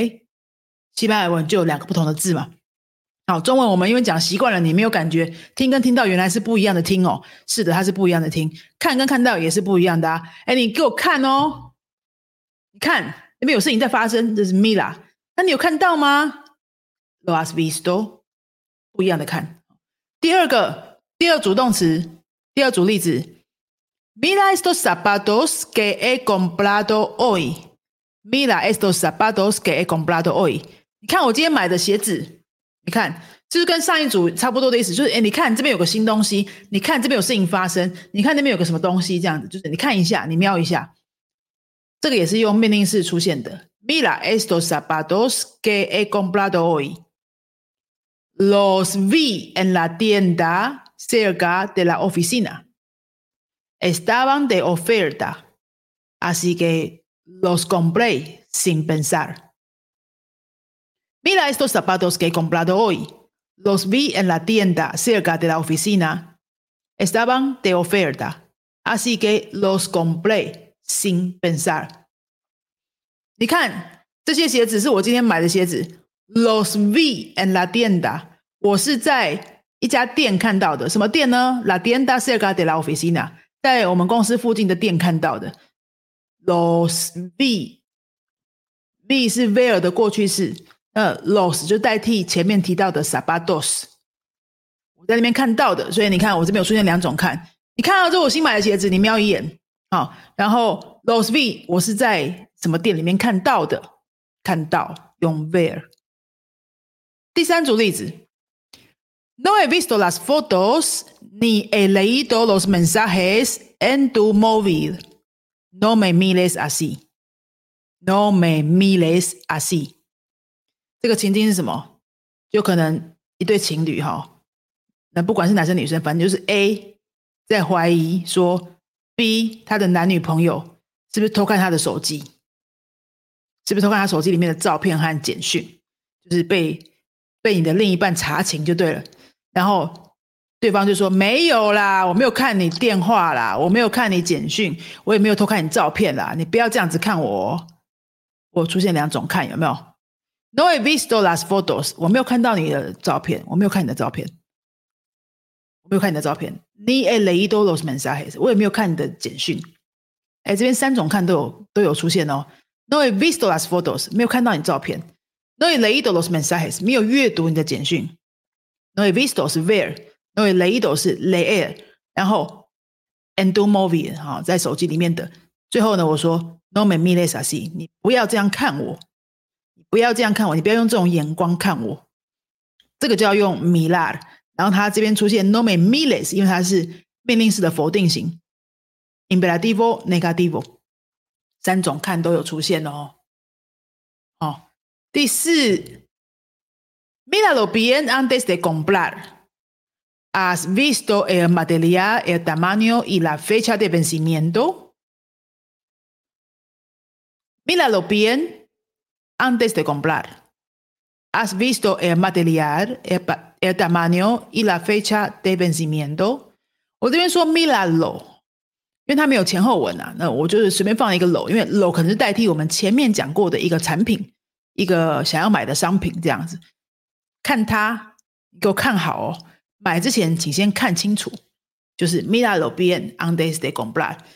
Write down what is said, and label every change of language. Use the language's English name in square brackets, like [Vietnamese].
[Chinese] 诶，西班牙文就有两个不同的字嘛。好，中文我们因为讲习惯了，你没有感觉听跟听到原来是不一样的听哦。是的，它是不一样的听。看跟看到也是不一样的啊。诶，你给我看哦，你看那边有事情在发生，这是 Mira， 那你有看到吗？ [Spanish] Lo has visto， [Chinese] 不一样的看。 第二个，第二组动词，第二组例子， [Spanish] Mira estos zapatos que he comprado hoy， Mira estos zapatos que he comprado hoy， [Chinese] 你看我今天买的鞋子。你看，就是跟上一组差不多的意思，就是诶，你看这边有个新东西，你看这边有事情发生，你看那边有个什么东西，这样子，就是你看一下，你瞄一下，这个也是用命令式出现的。 [Spanish] Mira estos zapatos que he comprado hoy. Los vi en la tienda cerca de la oficina. Estaban de oferta, así que los compré sin pensar. Mira estos zapatos que he comprado hoy. Los vi en la tienda cerca de la oficina. Estaban de oferta, así que los compré sin pensar. [Chinese] 你看，这些鞋子是我今天买的鞋子。 [Spanish] Los vi en la tienda. [Chinese] 我是在一家店看到的。什么店呢？ [Spanish] La tienda cerca de la oficina. [Chinese] 在我们公司附近的店看到的。 [Spanish] Los vi. [Chinese] Vi 是 ver 的过去式。Los 就代替前面提到的 zapatos。我在那边看到的，所以你看我这边有出现两种看。你看到这我新买的鞋子，你瞄一眼。好，然后 Los V 我是在什么店里面看到的，看到用 where。第三组例子， [Spanish] No he visto las fotos ni he leído los mensajes en tu móvil. No me mires así. No me mires así. [Chinese] 这个情境是什么？就可能一对情侣，那不管是男生女生，反正就是 A 在怀疑说B 他的男女朋友是不是偷看他的手机，是不是偷看他手机里面的照片和简讯，就是被你的另一半查情就对了。然后对方就说，没有啦，我没有看你电话啦，我没有看你简讯，我也没有偷看你照片啦，你不要这样子看我、哦、我出现两种看，有没有？ [Spanish] No he visto las fotos， [Chinese] 我没有看到你的照片，我没有看你的照片，我没有看你的照片。 [Spanish] Ni he leído los mensajes， [Chinese] 我也没有看你的简讯。哎，这边三种看都有出现哦。 [Spanish] No he visto las fotos， [Chinese] 没有看到你照片。 [Spanish] No he leído los mensajes， [Chinese] 没有阅读你的简讯。 [Spanish] No he visto [Chinese] 是 where， [Spanish] No he leído [Chinese] 是 leer， 然后 [Spanish] en tu móvil [Chinese] 在手机里面的。最后呢，我说 [Spanish] No me mires así， [Chinese] 你不要这样看我，不要这样看我，你不要用这种眼光看我。这个就要用 mirar。然后他这边出现 [Spanish] no me mires， [Chinese] 因为他是命令式的否定型 [Spanish] imperativo negativo， [Chinese] 三种看都有出现哦。好、哦，第四 [Spanish] míralo bien antes de comprar， has visto el material， el tamaño y la fecha de vencimiento， míralo bien antes de comprar， has visto el material， el tamaño y la fecha de vencimiento。 [Chinese] 我这边说 míralo， 因为它没有前后文啊，那我就是随便放一个 lo， 因为 lo 可能是代替我们前面讲过的一个产品，一个想要买的商品这样子。看它，你给我看好哦，买之前请先看清楚，就是 [Spanish] míralo bien antes de comprar。